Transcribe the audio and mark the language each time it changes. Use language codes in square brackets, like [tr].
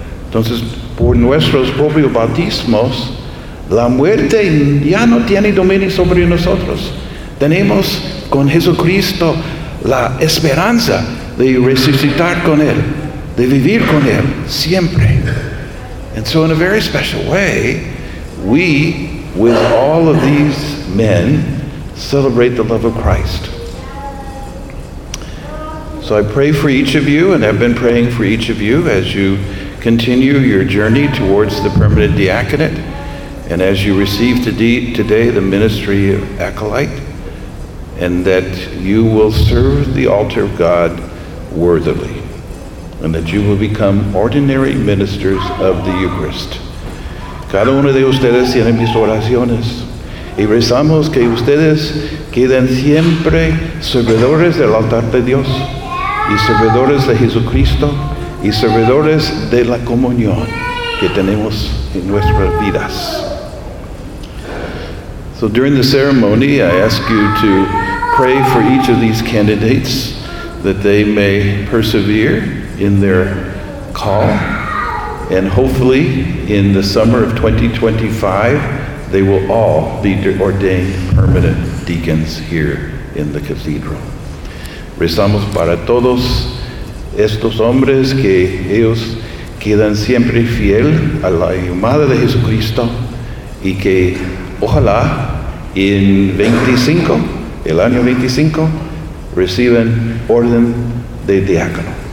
[es] Entonces, por nuestros propios bautismos, la muerte ya no tiene dominio sobre nosotros. Tenemos con Jesucristo la esperanza de resucitar con Él, de vivir con Él siempre. [en] And so in a very special way, we, with all of these men, celebrate the love of Christ. So I pray for each of you, and I've been praying for each of you as you continue your journey towards the permanent diaconate, and as you receive today the ministry of Acolyte, and that you will serve the altar of God worthily, and that you will become ordinary ministers of the Eucharist. [es] Cada uno de ustedes tiene mis oraciones. Y rezamos que ustedes queden siempre servidores del altar de Dios y servidores de Jesucristo y servidores de la comunión que tenemos en nuestras vidas. [en] So during the ceremony, I ask you to pray for each of these candidates that they may persevere in their call. And hopefully, in the summer of 2025, they will all be ordained permanent deacons here in the cathedral. [es] Rezamos para todos estos hombres que ellos quedan siempre fiel a la llamada de Jesucristo y que ojalá en 25, el año 25, reciban orden de diácono.